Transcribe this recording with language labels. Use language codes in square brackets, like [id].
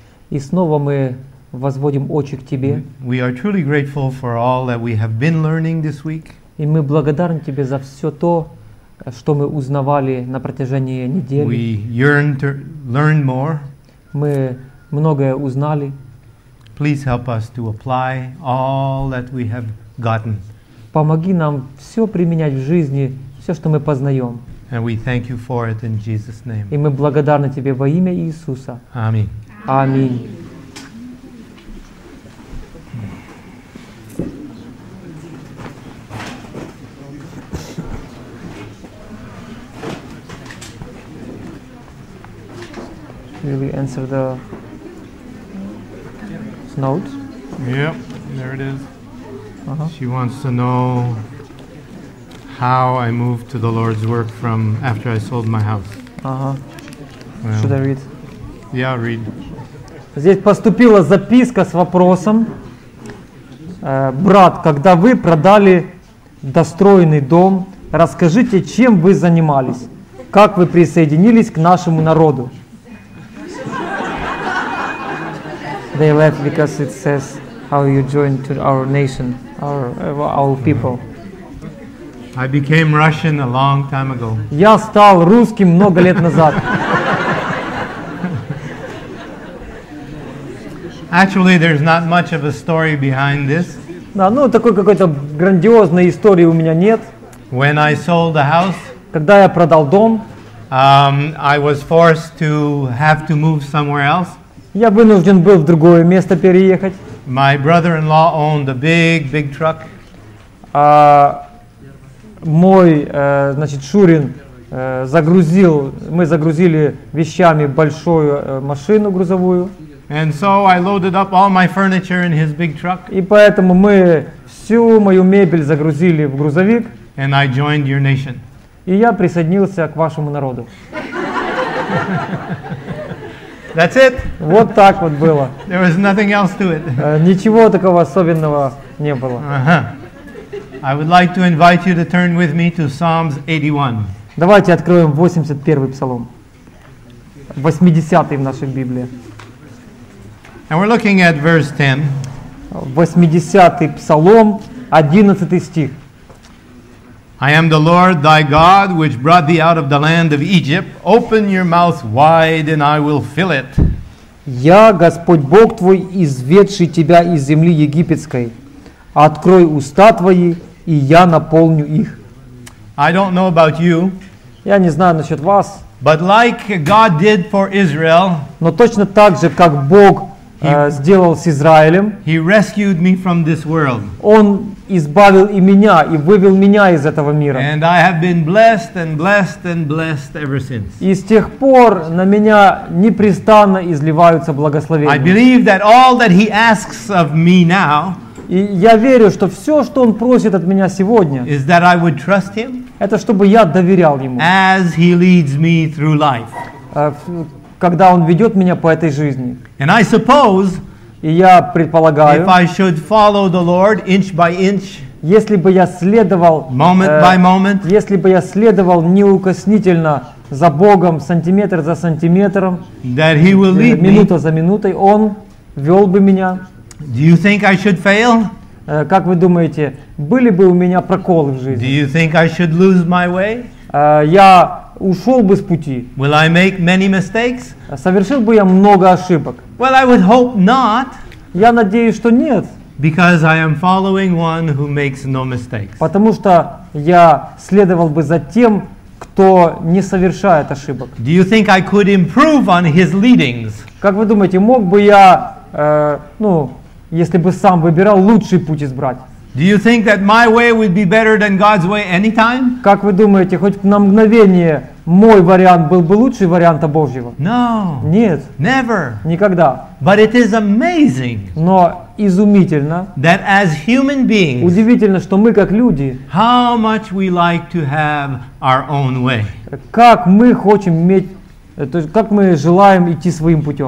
[ru] И снова мы возводим очи к Тебе. [en] We are truly grateful for all that we have been learning this week. [ru] И мы благодарны Тебе за все то, что мы узнавали на протяжении недели. [en] We yearn to learn more. [ru] Мы многое узнали. [en] Please help us to apply all that we have gotten. [ru] Помоги нам все применять в жизни, все, что мы познаем. [en] And we thank you for it in Jesus' name. [ru] И мы благодарны Тебе во имя Иисуса. Аминь. Аминь. [en] Will you answer the note? Yep, there it is. She wants to know how I moved to the Lord's work from after I sold my house. Should I read? Yeah, read. [ru] Здесь поступила записка с вопросом. Брат, когда вы продали достроенный дом, расскажите, чем вы занимались? Как вы присоединились к нашему народу? [en] They left because it says how you joined to our nation, our people. I became Russian a long time ago. [ru] Я стал русским много лет назад. [en] Actually, there's not much of a story behind this. [ru] Да, ну такой какой-то грандиозной истории у меня нет. [en] When I sold the house, [ru] когда я продал дом, [en] I was forced to have to move somewhere else. [ru] Я вынужден был в другое место переехать. [en] My brother-in-law owned a big, big truck. [ru] Мой, значит, Шурин загрузил, мы загрузили вещами большую машину грузовую. [en] And so I loaded up all my furniture in his big truck. [ru] И поэтому мы всю мою мебель загрузили в грузовик. [en] And I joined your nation. [ru] И я присоединился к вашему народу. [en] That's it. [ru] Вот так вот было. [en] There was nothing else to it. [ru] Ничего такого особенного не было. [en] I would like to invite you to turn with me to Psalms 81. [ru] Давайте откроем 81-й псалом. 80-й в нашей Библии. [en] And we're looking at verse 10. [ru] 80-й псалом, 11-й стих. [en] I am the Lord thy God, which brought thee out of the land of Egypt. Open your mouth wide, and I will fill it. [ru] Я Господь Бог твой, изведший тебя из земли египетской. Открой уста твои, и я наполню их. [en] I don't know about you. [ru] Я не знаю насчет вас. [en] But like God did for Israel. [ru] Но точно так же, как Бог сделал с Израилем. [en] He rescued me from this world. [ru] Он избавил и меня, и вывел меня из этого мира. [en] And I have been blessed and blessed and blessed ever since. [ru] И с тех пор на меня непрестанно изливаются благословения. [en] I believe that all that he asks of me now. [ru] И я верю, что все, что он просит от меня сегодня, [en] is that I would trust him. [ru] Это чтобы я доверял ему. [en] As he leads me through life. [ru] Когда он ведет меня по этой жизни. [en] And I suppose, [ru] и я предполагаю, [en] if I should follow the Lord inch by inch, [ru] если бы я следовал, [en] moment by moment, [ru] если бы я следовал неукоснительно за Богом, сантиметр за сантиметром, [en] that he will lead me, [ru] минута за минутой, он вел бы меня. [en] Do you think I should fail? [ru] Как вы думаете, были бы у меня проколы в жизни? [en] Do you think I should lose my way? [ru] Я ушел бы с пути. [en] Will I make many mistakes? [ru] Совершил бы я много ошибок. [en] Well, I would hope not. [ru] Я надеюсь, что нет. [en] Because I am following one who makes no mistakes. [ru] Потому что я следовал бы за тем, кто не совершает ошибок. [en] Do you think I could improve on his leadings? [ru] Как вы думаете, мог бы я, ну, если бы сам выбирал, лучший путь избрать? [en] Do you think that my way would be better than God's way anytime? [ru] Как вы думаете, хоть на мгновение мой вариант был бы лучше варианта Божьего? [en] No. [ru] Нет. [en] Never. [ru] Никогда. [en] But it is amazing. [ru] Но изумительно. [en] That as human beings. [ru] Удивительно, что мы как люди. [en] How much we like to have our own way. [ru] Как мы хотим иметь. То есть, как мы желаем идти своим путем.